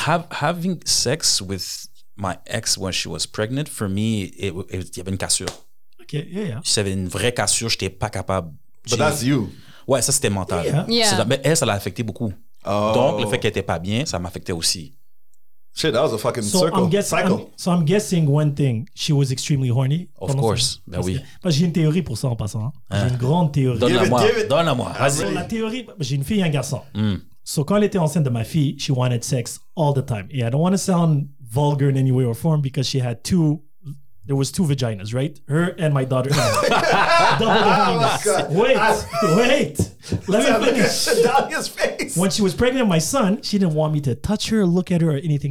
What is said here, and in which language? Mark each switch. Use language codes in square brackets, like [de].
[en] Having sex with... My ex, when she was pregnant, for me, [fr] il y avait une cassure. [en] OK, yeah, yeah. [fr] Il y avait une vraie cassure, je n'étais pas capable. [en] But that's you. [fr] Ouais, ça, c'était mental. [en] Yeah. Yeah. [fr] Mais elle, ça l'a affecté beaucoup. [en] Oh. [fr] Donc, le fait qu'elle n'était pas bien, ça m'affectait aussi. [en] Shit, that was a fucking cycle. I'm guessing one thing, she was extremely horny. Of course, ben [fr] parce oui. Parce que j'ai une théorie pour ça en passant. Hein. J'ai une grande théorie. Donne-la-moi. Vas-y. La théorie, j'ai une fille et un garçon. Mm. So, quand elle était enceinte de ma fille, [en] she wanted sex all the time. And I don't want to sound vulgar in any way or form because she had two, there was two vaginas, right? Her and my daughter. Double vaginas. Oh my God. Wait. Let me finish. Dahlia's face. When she was pregnant with my son, she didn't want me to touch her, look at her, or anything